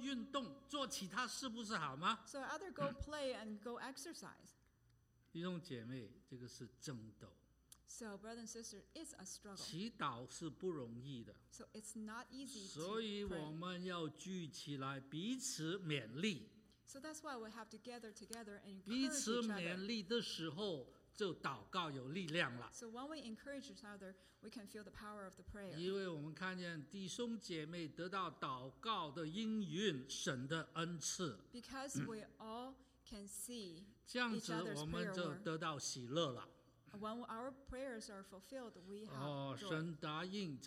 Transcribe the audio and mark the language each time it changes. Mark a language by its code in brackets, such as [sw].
[zh] 我不如去玩玩啊，去做运动，做其他事，不是好吗 [en] ？So either go play and go exercise. [zh] 弟兄姐妹，这个是争斗。 [en] So, brothers and sisters, it's a struggle. [zh] 祈祷是不容易的。 [en] So, it's not easy to pray. [zh] 所以我们要聚起来彼此勉励。 [en] So, that's why we have to gather together and encourage [zh] 彼此勉励的时候, [en] each other. [zh] 就祷告有力量了。 [en] So, when we encourage each other, we can feel the power of the prayer. [zh] 因为我们看见弟兄姐妹得到祷告的应允，神的恩赐。 [en] Because we all can see each other's prayer. [zh] 这样子我们就得到喜乐了。 [en] When our prayers are fulfilled, we have joy.